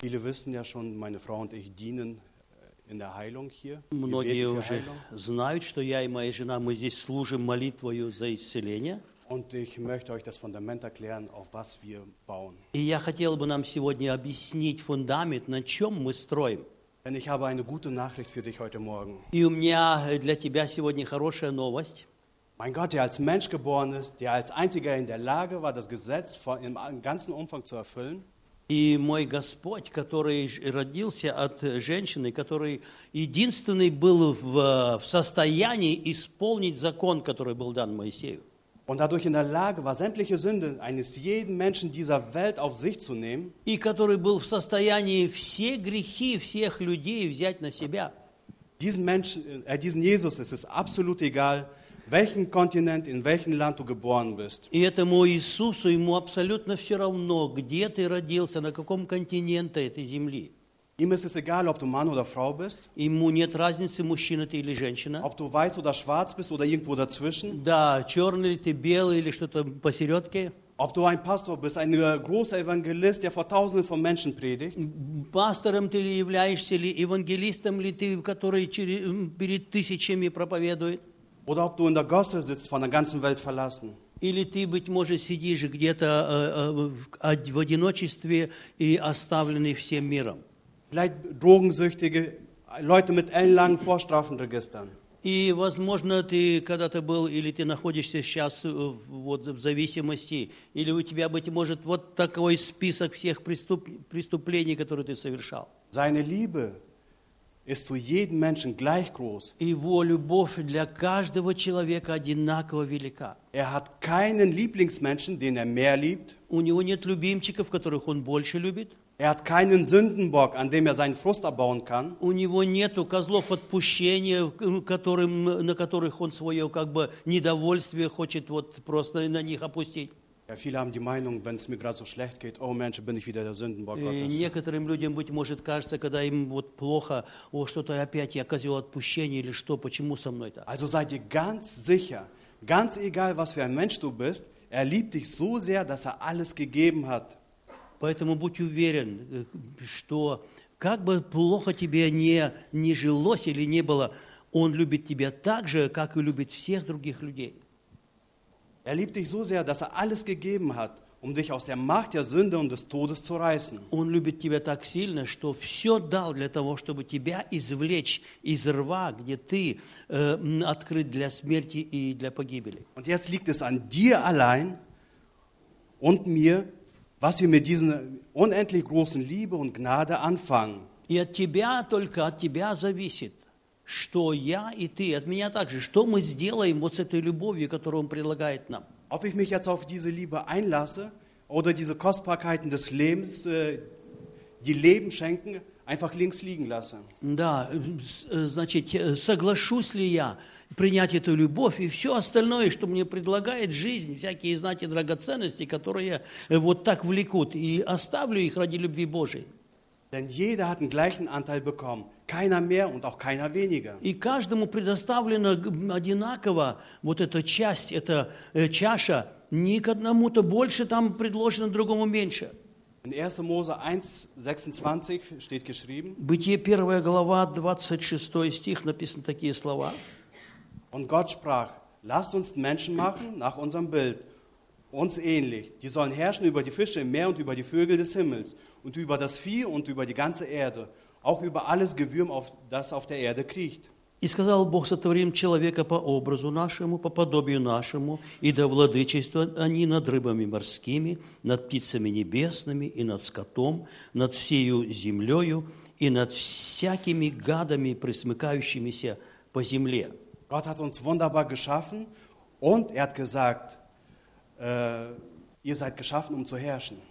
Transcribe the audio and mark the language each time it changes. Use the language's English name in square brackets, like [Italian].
[German] Viele wissen ja schon, meine Frau und ich dienen in der Heilung hier. [Russian] Многие уже знают, что я и моя жена мы здесь служим молитвою за исцеление. [German] Und ich möchte euch das Fundament erklären, auf was wir bauen. [Russian] И я хотел бы нам сегодня объяснить фундамент, на чем мы строим. [German] Denn ich habe eine gute Nachricht für dich heute Morgen. [Russian] И у меня для тебя сегодня хорошая новость. [German] Mein Gott, der als Mensch geboren ist, der als einziger in der Lage war, das Gesetz im ganzen Umfang zu erfüllen. [Russian] И мой Господь, который родился от женщины, который единственный был в состоянии исполнить закон, который был дан Моисею. [German] Und dadurch in der Lage war, sämtliche Sünden eines jeden Menschen dieser Welt auf sich zu nehmen. [Russian] И который был в состоянии все грехи всех людей взять на себя. [German] Diesen Jesus ist es absolut egal, welchen Kontinent, in welchem Land du geboren bist. [Russian] И этому Иисусу ему абсолютно все равно, где ты родился, на каком континенте этой земли. [German] Ihm ist es egal, ob du Mann oder Frau bist. [Russian] Ему нет разницы, мужчина ты или женщина. [German] Ob du weiß oder schwarz bist oder irgendwo dazwischen. [Russian] Да, черный ты, белый или что-то посередке. [German] Ob du ein Pastor bist, ein großer Evangelist, der vor Tausenden von Menschen predigt. [Russian] Пастором ты являешься или евангелистом ли ты, который перед тысячами проповедует? [German] Oder ob du in der Gosse sitzt, von der ganzen Welt verlassen. [Russian] Или ты, быть может, сидишь где-то в одиночестве и оставленный всем миром. [German] Vielleicht Drogensüchtige, Leute mit ellenlangen Vorstrafenregistern. [Russian] И, возможно, ты когда-то был, или ты находишься сейчас вот в зависимости, или у тебя, быть может, вот такой список всех преступлений, которые ты совершал. [German] Seine Liebe ist zu jedem Menschen gleich groß. [Russian] Его любовь для каждого человека одинаково велика. [German] Er hat keinen Lieblingsmenschen, den er mehr liebt. [Russian] У него нет любимчиков, которых он больше любит. [German] Er hat keinen Sündenbock, an dem er seinen Frust abbauen kann. [Russian] У него нету козлов отпущения, которым на которых он свое как бы недовольствие хочет вот просто на них опустить. [German] Ja, viele haben die Meinung, wenn es mir gerade so schlecht geht, oh Mensch, bin ich wieder der Sündenbock Gottes. [Russian] Некоторым людям быть может кажется, когда им вот плохо, о что-то опять я козел отпущения или что, почему со мной так? [German] Also seid ihr ganz sicher, ganz egal, was für ein Mensch du bist, er liebt dich so sehr, dass er alles gegeben hat. [Russian] Поэтому будь уверен, что как бы плохо тебе не жилось или не было, он любит тебя так же, как и любит всех других людей. [German] Er liebt dich so sehr, dass er alles gegeben hat, um dich aus der Macht der Sünde und des Todes zu reißen. [Russian] Он любит тебя так сильно, что все дал для того, чтобы тебя извлечь из рва, где ты открыт для смерти и для погибели. [German] Und jetzt liegt es an dir allein und mir, was wir mit dieser unendlich großen Liebe und Gnade anfangen. [Russian] И от тебя, только от тебя зависит, что я и ты, от меня также, что мы сделаем вот с этой любовью, которую он предлагает нам. [German] Ob ich mich jetzt auf diese Liebe einlasse oder diese Kostbarkeiten des Lebens, die Leben schenken, einfach links liegen lasse. [Russian] Да, значит, соглашусь ли я принять эту любовь и все остальное, что мне предлагает жизнь, всякие, знаете, драгоценности, которые вот так влекут, и оставлю их ради любви Божией. [German] Denn jeder hat den gleichen Anteil bekommen, keiner mehr und auch keiner weniger. [Russian] И каждому предоставлена одинаково вот эта часть, эта чаша, ни к одному-то больше там предложено, другому меньше. [German] In 1. Mose 1:26 steht geschrieben. [Russian] Бытие 1 глава 26 стих написаны такие слова. [German] Und Gott sprach: Lasst uns Menschen machen nach unserem Bild, uns ähnlich. Die sollen herrschen über die Fische im Meer und über die Vögel des Himmels und über das Vieh und über die ganze Erde, auch über alles Gewürm, das auf der Erde kriecht. [Russian] И сказал Бог: сотворим человека по образу нашему, по подобию нашему, и да владычествуют они над рыбами морскими, над птицами небесными и над скотом, над всею землею и над всякими гадами, пресмыкающимися по земле. [German] Gott hat uns wunderbar geschaffen und er hat gesagt, ihr seid geschaffen, um zu herrschen.